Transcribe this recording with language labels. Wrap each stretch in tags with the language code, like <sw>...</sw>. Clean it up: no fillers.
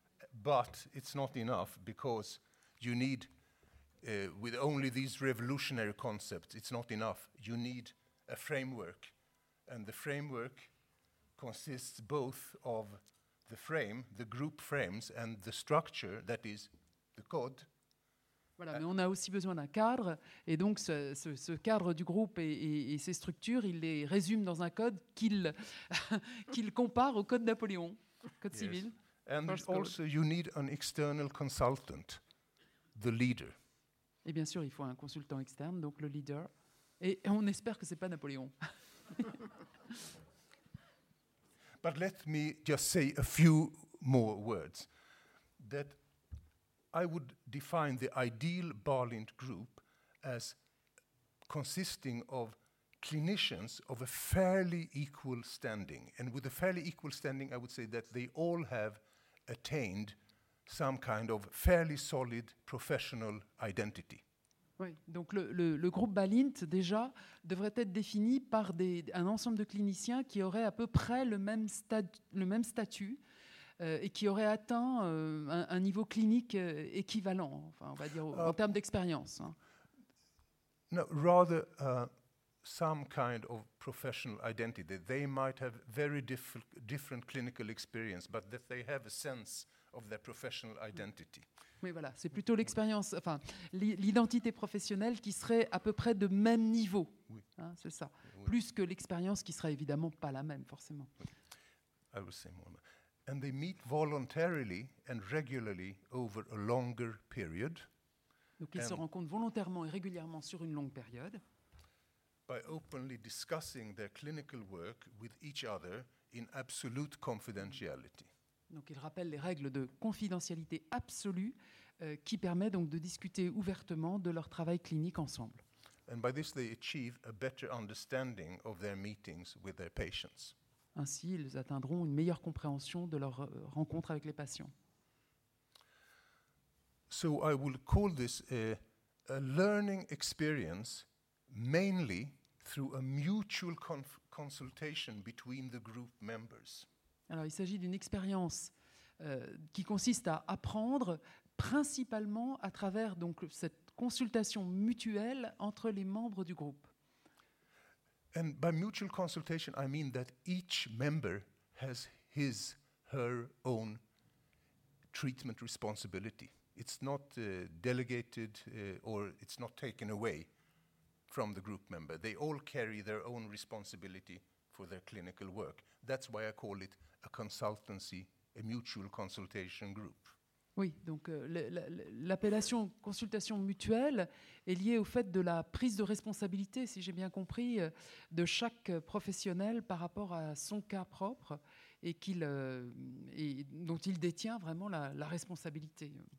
<en>But it's not enough because you need, with only these revolutionary concepts, it's not enough. You need a framework, and the framework consists both of the frame, the group frames, and the structure, that is, the code.</en> <fr>Voilà, mais on a aussi besoin d'un cadre, et donc ce cadre du groupe et ses structures, il les résume dans un code qu'il compare au code Napoléon, code</fr> <en>yes.</en> <fr>civil.</fr> <en>And also, code. You need an external consultant, the leader.</en> <fr>Et bien sûr, il faut un consultant externe, donc le leader. Et on espère que ce n'est pas Napoléon.</fr> <en>But let me just say a few more words. That I would define the ideal Bahlint group as consisting of clinicians of a fairly equal standing. And with a fairly equal standing, I would say that they all have attained some kind of fairly solid professional identity.</en> <fr>Oui, donc le groupe Bahlint, déjà, devrait être défini par un ensemble de cliniciens qui auraient à peu près le même statut et qui auraient atteint un niveau clinique équivalent, enfin, on va dire, en termes d'expérience.</fr> <en>No, rather some kind of professional identity. They might have very different clinical experience, but that they have a sense of their professional identity.</en> <fr>Oui, voilà, c'est plutôt l'expérience, enfin, l'identité professionnelle qui serait à peu près de même niveau, oui. Hein, c'est ça, oui. Plus que l'expérience qui serait évidemment pas la même, forcément. Oui.</fr> <en>I will say more. And they meet voluntarily and regularly over a longer period.</en> <fr>Donc ils se rencontrent volontairement et régulièrement sur une longue période.</fr> <en>By openly discussing their clinical work with each other in absolute confidentiality.</en> <fr>Donc, il rappelle les règles de confidentialité absolue qui permet donc de discuter ouvertement de leur travail clinique ensemble.</fr> <en>And by this they achieve a better understanding of their meetings with their patients.</en> <fr>Ainsi, ils atteindront une meilleure compréhension de leur rencontre avec les patients.</fr> <en>So I will call this a learning experience mainly through a mutual consultation between the group members.</en> <fr>Alors, il s'agit d'une expérience qui consiste à apprendre principalement à travers donc, cette consultation mutuelle entre les membres du groupe.</fr> <en>And by mutual consultation, I mean that each member has his, her own treatment responsibility. It's not delegated or it's not taken away from the group member. They all carry their own responsibility for their clinical work. That's why I call it a consultancy, a mutual consultation group.</en> <fr>Oui, donc l'appellation consultation mutuelle est liée au fait de la prise de responsabilité, si j'ai bien compris, de chaque professionnel par rapport à son cas propre et dont il détient vraiment la responsabilité.</fr>